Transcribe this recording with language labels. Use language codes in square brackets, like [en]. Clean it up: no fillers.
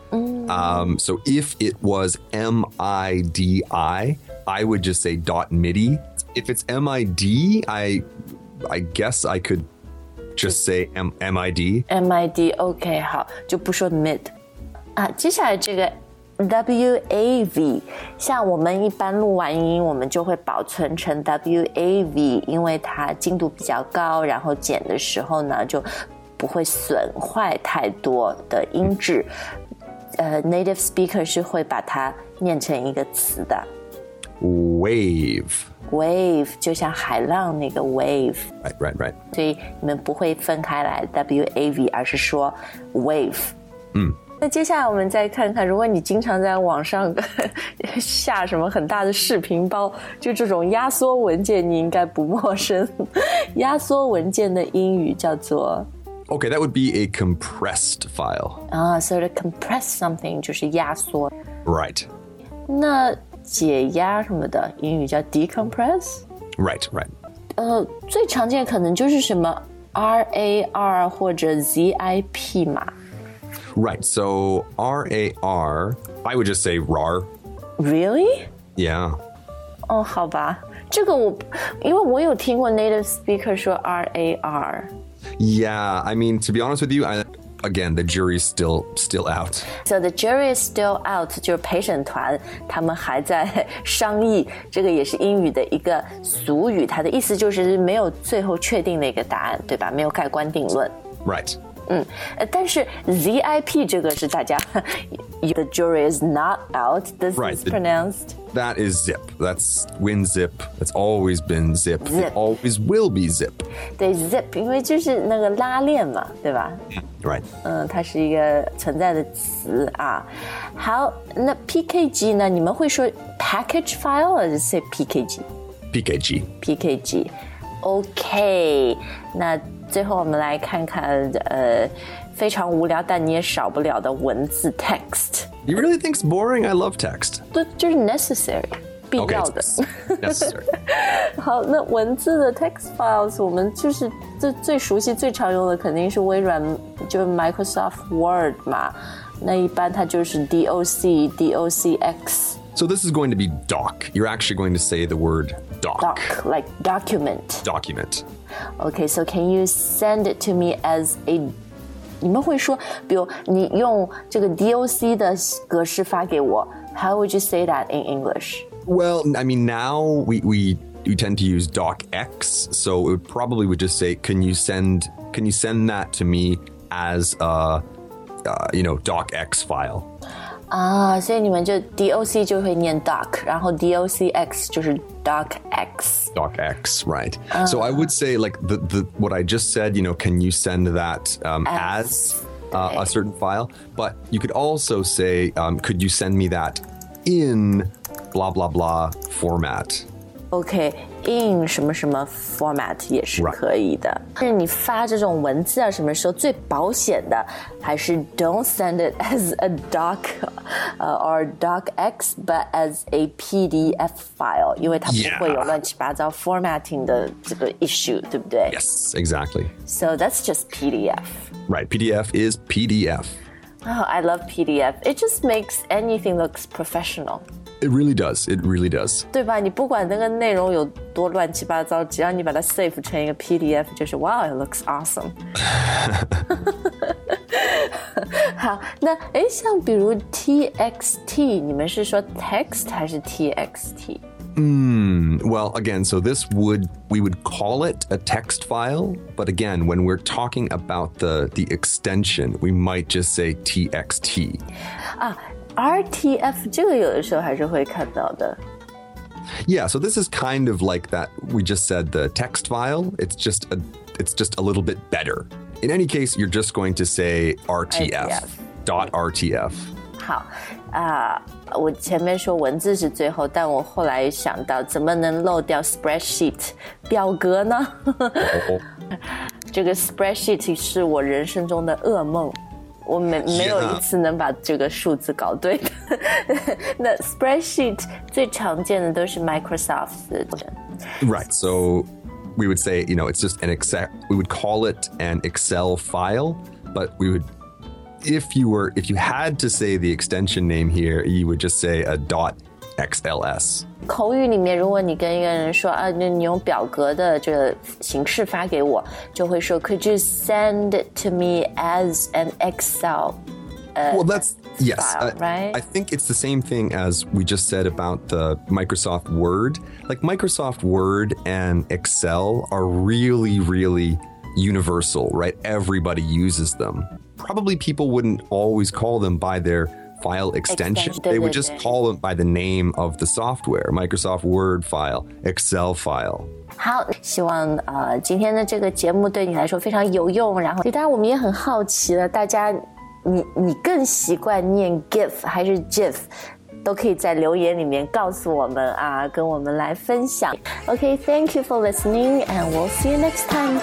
[en] So if it was MIDI, I would just say .MIDI. If it's MID, I guess I could just say MID. MID, okay, [zh] 好就不说 MID. 接下来这个WAV 像我们一般录完音我们就会保存成 WAV 因为它精度比较高然后剪的时候呢就不会损坏太多的音质、Native speaker 是会把它念成一个词的 [en] Wave [zh] Wave 就像海浪那个 wave [en] Right [zh] 所以你们不会分开来 WAV 而是说 Wave 那接下来我们再看看，如果你经常在网上下什么很大的视频包，就这种压缩文件你应该不陌生。压缩文件的英语叫做 [en] Okay, that would be a compressed file. Ah, so to compress something [zh] 就是压缩。 [en] Right. [zh] 那解压什么的英语叫 decompress? [en] Right, right. [zh] 最常见可能就是什么RAR 或者 ZIP 嘛 [en] Right, so RAR, I would just say RAR. Really? Yeah. [zh] 哦、oh, 好吧这个我因为我有听过 native speaker 说 RAR. [en] Yeah, I mean, to be honest with you, again, the jury's still out. So the jury is still out, [zh] 就是陪审团他们还在商议这个也是英语的一个俗语它的意思就是没有最后确定的一个答案对吧没有盖棺定论。 [en] Right. [zh] 嗯但是 ZIP 这个是大家 [en] The jury is not out, this right, is pronounced. That is zip. That's when zip. It's always been zip. Zip. It always will be zip. [zh] 对 zip, 因为就是那个拉链嘛对吧 [en] Right. [zh] 它是一个存在的词啊。好，那 PKG 呢？你们会说 package file 还是 say PKG? [en] PKG. PKG. OK. [zh] 那最后我们来看看非常无聊但你也少不了的文字 text. [en] You really think it's boring? I love text. [zh] 对，就是 necessary, 必要的。 [en] Okay, necessary. [zh] 好，那文字的 text files 我们就是最熟悉最常用的肯定是微软就是 Microsoft Word 嘛那一般它就是 DOC DOCX [en] So this is going to be doc You're actually going to say the word doc Doc, like document Document Okay, so can you send it to me as a [zh] 你们会说比如你用这个 DOC 的格式发给我 [en] How would you say that in English? Well, I mean now we tend to use docx, so it would probably would just say, can you send that to me as a, you know, docx file? Ah, so you [zh] 们就 doc 就会念 doc, 然后 docx 就是 docx. [en] Docx, right. So I would say, like, what I just said, you know, can you send that as a certain file? But you could also say, could you send me that in blah, blah, blah format? [zh] Okay, in 什么什么 format 也是可以的。 [en] Right. [zh] 但是你发这种文字啊，什么时候最保险的？ [en] 还是 don't send it as a doc, or docx, but as a PDF file, [zh] 因为它不会有乱七八糟 formatting 的这个 issue, 对不对 [en] ？Yes, exactly. So that's just PDF. Right, PDF is PDF. Oh, I love PDF. It just makes anything look professional. It really does. It really does. [zh] 对吧？你不管那个内容有多乱七八糟，只要你把它 save 成一个 PDF， 就是 [en] wow, it looks awesome. [zh] 好，那哎，像比如 TXT， 你们是说 text 还是 TXT？ [en] Well, again, so this we would call it a text file, but again, when we're talking about the extension, we might just say TXT. Ah. [zh] RTF, 这个有的时候还是会看到的。 [en] Yeah, so this is kind of like that, we just said the text file, it's just a little bit better. In any case, you're just going to say RTF, dot RTF. [zh] 好,我前面说文字是最后,但我后来想到怎么能漏掉 spreadsheet, 表格呢? 这个 spreadsheet 是我人生中的噩梦。我没有一次能把这个数字搞对的。那 spreadsheet 最常见的都是 Microsoft 的。 [en] Right, so we would say, you know, it's just an Excel, we would call it an Excel file, but we would, if you had to say the extension name here, you would just say a dot .xls. [zh] 口语里面如果你跟一个人说、啊、你用表格的这个形式发给我就会说 [en] Could you send it to me as an Excel Well, that's, file, yes, right? I think it's the same thing as we just said about the Microsoft Word. Like Microsoft Word and Excel are really, really universal, right? Everybody uses them. Probably people wouldn't always call them by their... file extension, extension they would just call it by the name of the software Microsoft Word file Excel file [zh] 好希望、今天的这个节目对你来说非常有用然后当然我们也很好奇了大家你更习惯念 GIF 还是 JIF 都可以在留言里面告诉我们啊，跟我们来分享。 [en] OK, thank you for listening and we'll see you next time.